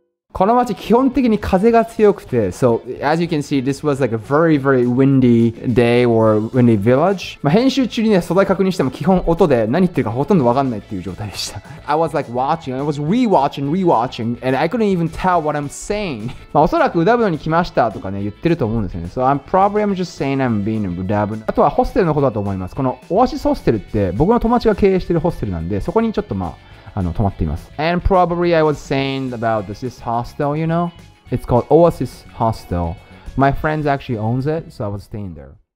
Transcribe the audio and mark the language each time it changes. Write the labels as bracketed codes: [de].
[ja] この街基本的に風が強くて、 [en] so as you can see, this was like a very very windy day or windy village. [ja] まあ編集中にね素材確認しても基本音で何言ってるかほとんど分かんないっていう状態でした。 [en] I was like watching, I was rewatching, and I couldn't even tell what I'm saying. [ja] まあおそらくUdabnoに来ましたとかね言ってると思うんですよね。 [en] So I'm just saying I'm being in Udabno. [ja] あとはホステルのことだと思います。このオアシスホステルって僕の友達が経営してるホステルなんで、そこにちょっとまあ。泊まっています。 [en] And probably I was saying about this hostel, you know? It's called Oasis Hostel. My friends actually owns it, so I was staying there.